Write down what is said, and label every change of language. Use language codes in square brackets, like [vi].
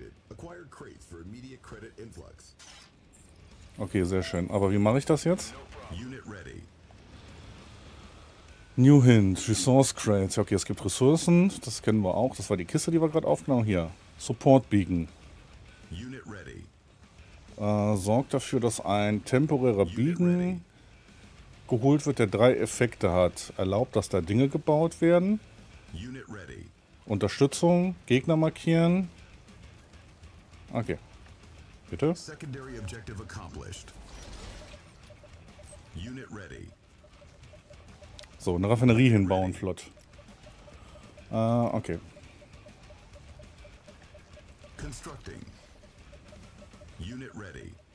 [en] Acquired crates for immediate credit influx. [de] Okay, sehr schön. Aber wie mache ich das jetzt? [en] Unit ready. New Hint, Resource Crates. [de] Okay, es gibt Ressourcen, das kennen wir auch. Das war die Kiste, die wir gerade aufgenommen haben. Hier, Support Beacon. [en] Unit ready. [de] Sorgt dafür, dass ein temporärer Beacon geholt wird, der 3 Effekte hat. Erlaubt, dass da Dinge gebaut werden. [en] Unit ready. [de] Unterstützung, Gegner markieren. Okay. Bitte? [en] Secondary objective accomplished. Unit ready. [de] So, eine Raffinerie hinbauen, flott. Okay. [en] Constructing. Unit ready.